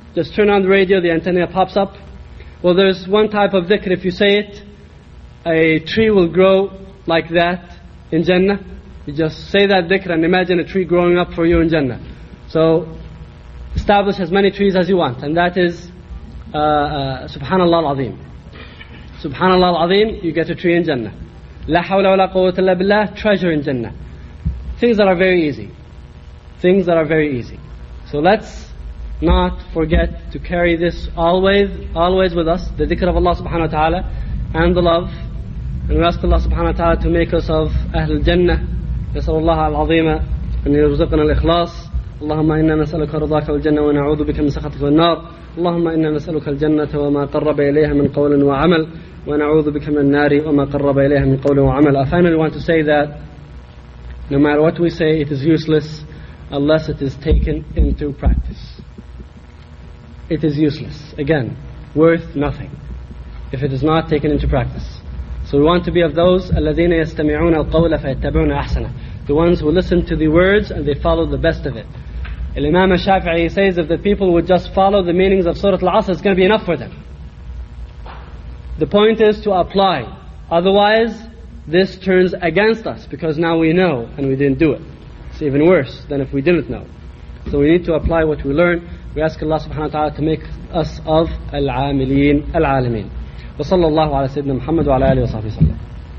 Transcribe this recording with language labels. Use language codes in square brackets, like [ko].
[en] Just turn on the radio, the antenna pops up. Well, there's one type of dhikr, if you say it, a tree will grow like that in Jannah. You just say that dhikr and imagine a tree growing up for you in Jannah. So establish as many trees as you want, and that is subhanallah al-azim. Subhanallah al-azim, you get a tree in Jannah. [ar] لا حول ولا قوة إلا بالله, [en] treasure in Jannah. Things that are very easy. Things that are very easy. So let's not forget to carry this always with us, the dhikr of Allah subhanahu wa ta'ala and the love And we ask Allah subhanahu wa ta'ala to make us of Ahl al-Jannah. [ar] نسأل الله العظيم أن يرزقنا الإخلاص اللهم إنا نسألك رضاك والجنة ونعوذ بك من سخطك والنار اللهم إنا نسألك الجنة وما قرب إليها من قول وعمل ونعوذ بك من النار وما قرب إليها من قول وعمل. [en] I finally want to say that no matter what we say, it is useless unless it is taken into practice. It is useless, again, worth nothing if it is not taken into practice. So we want to be of those [ar] الَّذِينَ يَسْتَمِعُونَ الْقَوْلَ فَيَتَّبِعُونَ أَحْسَنَهُ, [en] the ones who listen to the words and they follow the best of it. Imam Shafi'i says if the people would just follow the meanings of Surah Al-Asr, it's going to be enough for them. The point is to apply. Otherwise, this turns against us because now we know and we didn't do it. It's even worse than if we didn't know. So we need to apply what we learn. We ask Allah subhanahu wa ta'ala to make us of [ar] الْعَامِلِينَ الْعَالِمِينَ. وصلى الله على سيدنا محمد وعلى آله وصحبه وسلم.